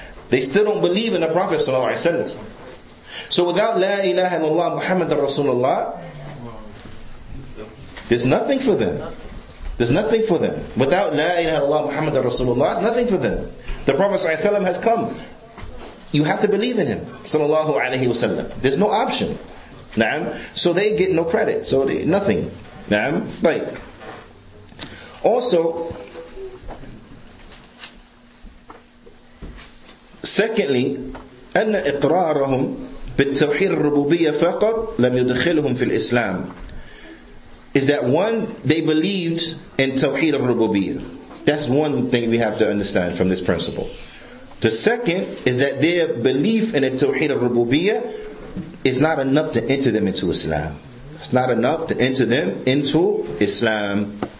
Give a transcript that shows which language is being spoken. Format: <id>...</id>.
<en>They still don't believe in the Prophet sallallahu alaihi wasallam. So without La ilaha illallah Muhammad Rasulullah, there's nothing for them. There's nothing for them. Without La ilaha illallah Muhammad Rasulullah, there's nothing for them. The Prophet sallallahu alaihi wasallam has come. You have to believe in him sallallahu alaihi wasallam. There's no option. Na'am. So they get no credit. So they, nothing. Na'am. But also, secondly,</en> <ar>أن إقرارهم بالتوحيد الربوبية فقط لم يدخلهم في الإسلام.</ar> <en>Is that one, they believed in Tawheed al-Rububiyyah. That's one thing we have to understand from this principle. The second is that their belief in the Tawheed al-Rububiyyah is not enough to enter them into Islam. It's not enough to enter them into Islam.</en>